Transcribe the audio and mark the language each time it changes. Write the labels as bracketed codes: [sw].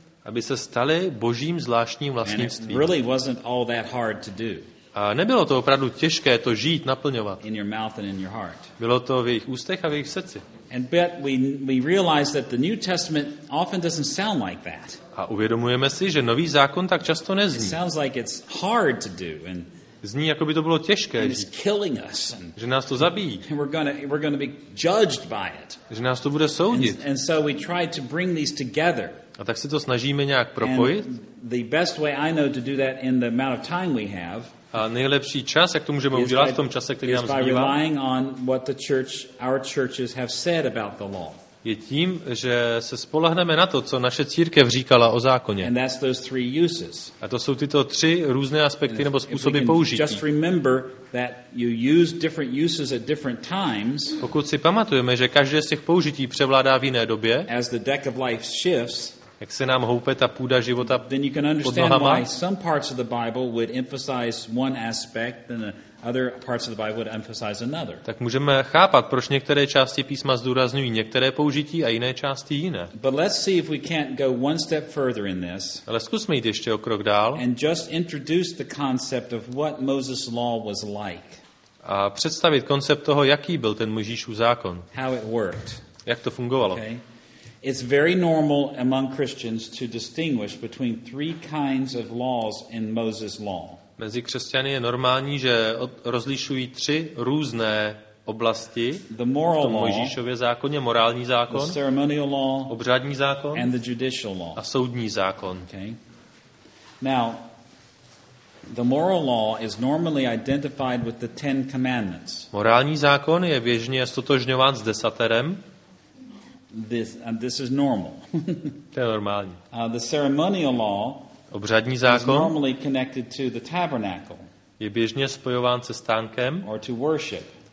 [cs] Aby se stali Božím zvláštním vlastnictvím. [en] Really wasn't all that hard to do. [cs] A nebylo to opravdu těžké to žít, naplňovat. [en] In your mouth and in your heart. [cs] Bylo to v jejich ústech a v jejich srdci. [en] And bet we realize that the New Testament often doesn't sound like that. [cs] A uvědomujeme si, že Nový zákon tak často nezní. [en] It sounds like it's hard to do and [cs] zní, jako by to bylo těžké. [en] And it's killing us. [cs] Že nás to zabíjí. [en] And we're gonna be judged by it. [cs] Že nás to bude soudit. [en] And so we try to bring these together. [cs] A tak se to snažíme nějak propojit. [en] The best way I know to do that in the amount of time we have. [cs] A nejlepší čas, jak to můžeme udělat v tom čase, který nám zbývá, [en] is by relying on what the church, our churches have said about the law. [cs] Je tím, že se spolehneme na to, co naše církev říkala o zákoně. [en] And that's those three uses. [cs] A to jsou tyto tři různé aspekty nebo způsoby použití. [en] Just remember that you use different uses at different times. [cs] Pokud si pamatujeme, že každé z těch použití převládá v jiné době. [en] As the deck of life shifts. [cs] Jak se nám houpe ta půda života pod nohama. [en] Some parts of the Bible would emphasize one aspect and other parts of the Bible would emphasize another. [cs] Tak můžeme chápat, proč některé části písma zdůrazňují některé použití a jiné části jiné. [en] But let's see if we can't go one step further in this. [cs] Ale zkusme jít ještě o krok dál. [en] And just introduce the concept of what Moses' law was like. [cs] A představit koncept toho, jaký byl ten Mojžíšův zákon. [en] How it worked. [cs] Jak to fungovalo? [en] Okay. It's very normal among Christians to distinguish between three kinds of laws in Moses' law. [cs] Mezi křesťany je normální, že rozlišují tři různé oblasti. [en] The moral [cs] law, Mojžíšově zákoně, morální zákon, [en] the ceremonial law, [cs] obřadní zákon, [en] and the judicial law, [cs] a soudní zákon. [en] Okay. Now, the moral law is normally identified with the Ten Commandments. [cs] Morální zákon je běžně ztotožňován s desaterem. [en] This is normal. [cs] To je normální. [en] The ceremonial law, [cs] obřadní zákon, [en] is normally connected to the tabernacle, [cs] je běžně spojován se stánkem, [en] or to worship,